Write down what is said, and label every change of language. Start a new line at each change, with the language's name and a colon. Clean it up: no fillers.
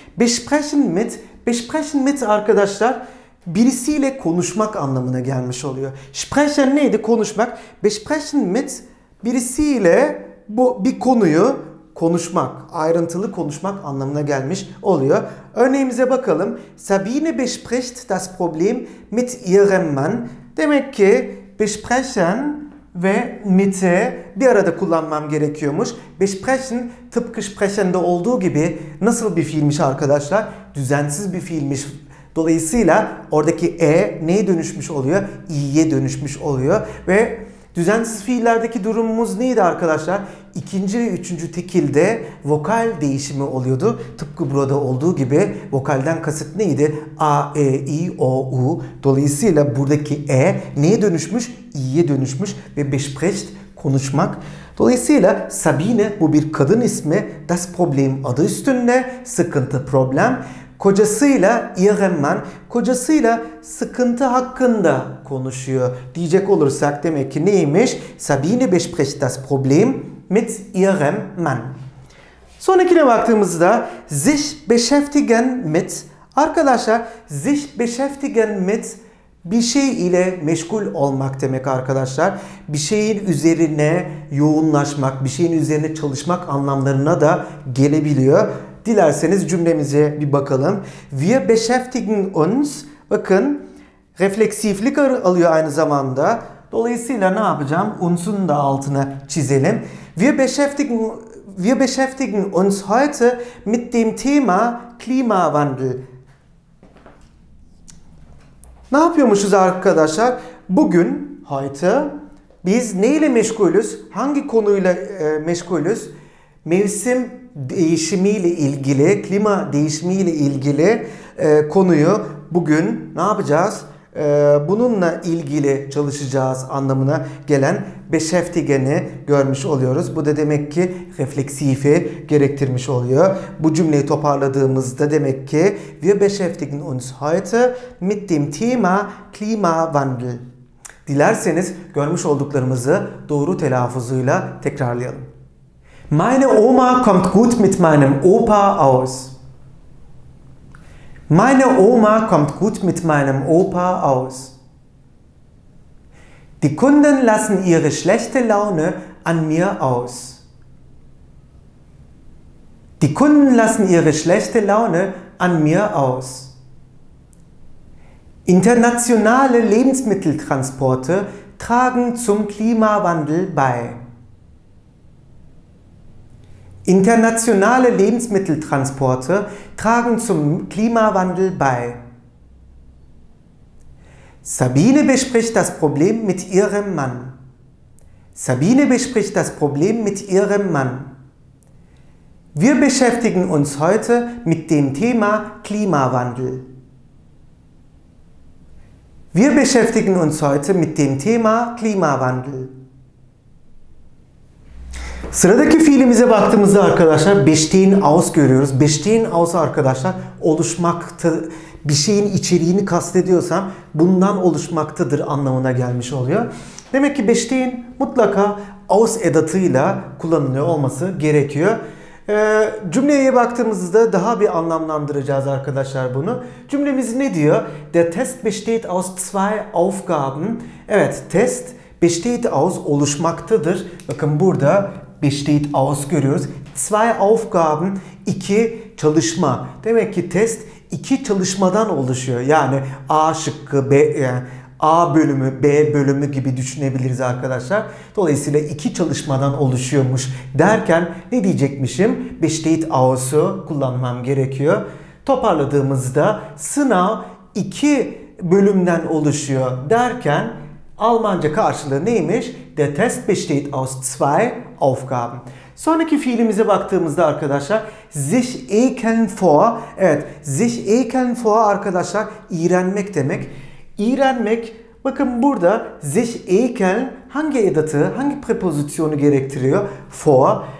Turkish: Besprechen mit. Besprechen mit arkadaşlar birisiyle konuşmak anlamına gelmiş oluyor. Sprechen neydi? Konuşmak. Besprechen mit birisiyle bu bir konuyu konuşmak, ayrıntılı konuşmak anlamına gelmiş oluyor. Örneğimize bakalım.
German: Sabine bespricht das Problem mit ihrem Mann.
Turkish: Demek ki besprechen ve mit'i bir arada kullanmam gerekiyormuş. Besprechen tıpkı sprechen'de olduğu gibi nasıl bir fiilmiş arkadaşlar? Düzensiz bir fiilmiş. Dolayısıyla oradaki e neye dönüşmüş oluyor? İ'ye dönüşmüş oluyor. Ve düzensiz fiillerdeki durumumuz neydi arkadaşlar? İkinci ve üçüncü tekilde vokal değişimi oluyordu. Tıpkı burada olduğu gibi vokalden kasıt neydi? A, E, İ, O, U. Dolayısıyla buradaki E neye dönüşmüş? İ'ye dönüşmüş ve besprecht konuşmak. Dolayısıyla Sabine bu bir kadın ismi. Das Problem adı üstünde. Sıkıntı, problem. Kocasıyla
German: ihrem Mann,
Turkish: kocasıyla sıkıntı hakkında konuşuyor diyecek olursak demek ki neymiş?
German: Sabine bespricht das Problem mit ihrem Mann.
Turkish: Sonrakine baktığımızda sich beschäftigen mit, arkadaşlar sich beschäftigen mit bir şey ile meşgul olmak demek arkadaşlar. Bir şeyin üzerine yoğunlaşmak, bir şeyin üzerine çalışmak anlamlarına da gelebiliyor. Dilerseniz cümlemize bir bakalım.
German: Wir beschäftigen uns.
Turkish: Bakın refleksiflik alıyor aynı zamanda. Dolayısıyla ne yapacağım? Uns'un da altına çizelim.
German: Wir beschäftigen uns heute mit dem Thema Klimawandel.
Turkish: Ne yapıyormuşuz arkadaşlar? Bugün, heute biz neyle meşgulüz? Hangi konuyla meşgulüz? Mevsim değişimiyle ilgili, klima değişimiyle ilgili konuyu bugün ne yapacağız? Bununla ilgili çalışacağız anlamına gelen beschäftigen'i görmüş oluyoruz. Bu da demek ki refleksifi gerektirmiş oluyor. Bu cümleyi toparladığımızda demek ki
German: wir beschäftigen uns heute mit dem Thema Klimawandel.
Turkish: Dilerseniz görmüş olduklarımızı doğru telaffuzuyla tekrarlayalım.
German: Meine Oma kommt gut mit meinem Opa aus. Meine Oma kommt gut mit meinem Opa aus. Die Kunden lassen ihre schlechte Laune an mir aus. Die Kunden lassen ihre schlechte Laune an mir aus. Internationale Lebensmitteltransporte tragen zum Klimawandel bei. Internationale Lebensmitteltransporte tragen zum Klimawandel bei. Sabine bespricht das Problem mit ihrem Mann. Sabine bespricht das Problem mit ihrem Mann. Wir beschäftigen uns heute mit dem Thema Klimawandel. Wir beschäftigen uns heute mit dem Thema Klimawandel.
Turkish: Sıradaki fiilimize baktığımızda arkadaşlar bestehen aus görüyoruz. Bestehen aus arkadaşlar oluşmaktı, bir şeyin içeriğini kastediyorsam bundan oluşmaktadır anlamına gelmiş oluyor. Demek ki bestehen mutlaka aus edatıyla kullanılıyor olması gerekiyor. Cümleye baktığımızda daha bir anlamlandıracağız arkadaşlar bunu. Cümlemiz ne diyor?
German: Der Test besteht aus zwei Aufgaben.
Turkish: Evet, test besteht aus oluşmaktadır. Bakın burada besteht aus görüyoruz.
German: Zwei Aufgaben,
Turkish: iki çalışma. Demek ki test iki çalışmadan oluşuyor. Yani A şıkkı, B, A bölümü, B bölümü gibi düşünebiliriz arkadaşlar. Dolayısıyla iki çalışmadan oluşuyormuş derken ne diyecekmişim? Besteht aus'u kullanmam gerekiyor. Toparladığımızda sınav iki bölümden oluşuyor derken Almanca karşılığı neymiş?
German: Der Test besteht aus zwei Aufgaben.
Turkish: Sonraki fiilimize baktığımızda arkadaşlar sich ekeln vor. Evet, sich ekeln vor arkadaşlar iğrenmek demek. İğrenmek, bakın burada sich ekeln hangi edatı, hangi prepozisyonu gerektiriyor? Vor.